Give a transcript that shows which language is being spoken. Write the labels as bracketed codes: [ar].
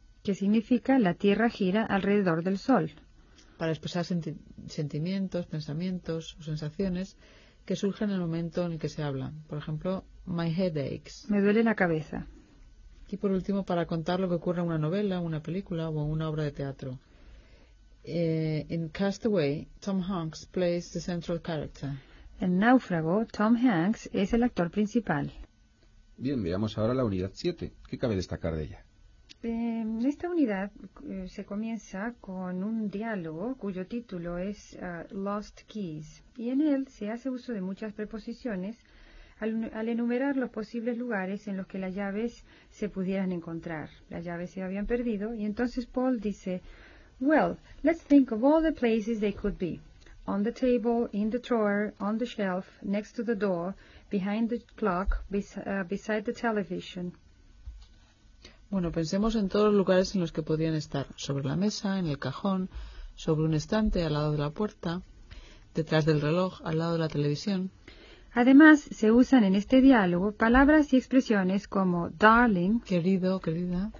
[es] que significa la Tierra gira alrededor del Sol. Para expresar sentimientos, pensamientos o sensaciones que surgen en el momento en el que se habla. Por ejemplo, [en] My head aches. [es] Me duele la cabeza. Y por último, para contar lo que ocurre en una novela, una película o una obra de teatro. [en] In Castaway, Tom Hanks plays the central character. [es] En Náufrago, Tom Hanks es el actor principal. Bien, veamos ahora la unidad 7. ¿Qué cabe destacar de ella? Esta unidad se comienza con un diálogo cuyo título es Lost Keys, y en él se hace uso de muchas preposiciones al enumerar los posibles lugares en los que las llaves se pudieran encontrar. Las llaves se habían perdido, y entonces Paul dice, [en] well, let's think of all the places they could be. On the table, in the drawer, on the shelf, next to the door, behind the clock, beside the television. [es] Bueno, pensemos en todos los lugares en los que podrían estar. Sobre la mesa, en el cajón, sobre un estante, al lado de la puerta, detrás del reloj, al lado de la televisión. Además, se usan en este diálogo palabras y expresiones como darling, querido, querida,